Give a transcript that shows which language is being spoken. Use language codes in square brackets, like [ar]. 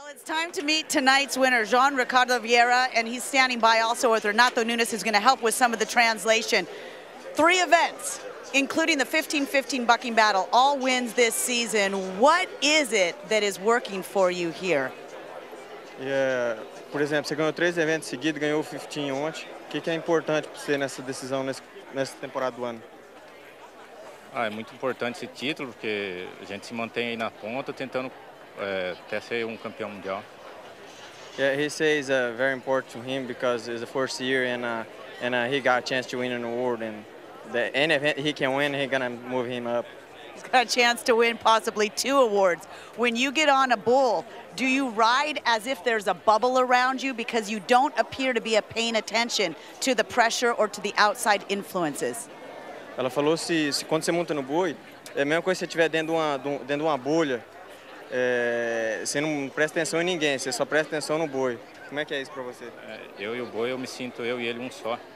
[en] it's time to meet tonight's winner, Joao Ricardo Vieira, and he's standing by also with Renato Nunes, who's going to help with some of the translation. Three events, including the 15-15 bucking battle, all wins this season. What is it that is working for you here? [pt] Yeah, por exemplo, você ganhou três eventos seguidos, ganhou 15 ontem. O que é importante para você nessa decisão, nessa temporada do ano? Ah, é muito importante esse título, porque a gente se mantém aí na ponta, tentando até ser campeão mundial. [en] Yeah, he says very important to him because it's the first year and he got a chance to win an award, and any event he can win, he's going to move him up. He's got a chance to win possibly two awards. When you get on a bull, do you ride as if there's a bubble around you because you don't appear to be paying attention to the pressure or to the outside influences? [pt] Ela falou se quando você monta no boi, é a mesma coisa se você estiver dentro de uma bolha. É, você não presta atenção em ninguém, você só presta atenção no boi. Como é que é isso para você? Eu e o boi, eu me sinto eu e ele um só.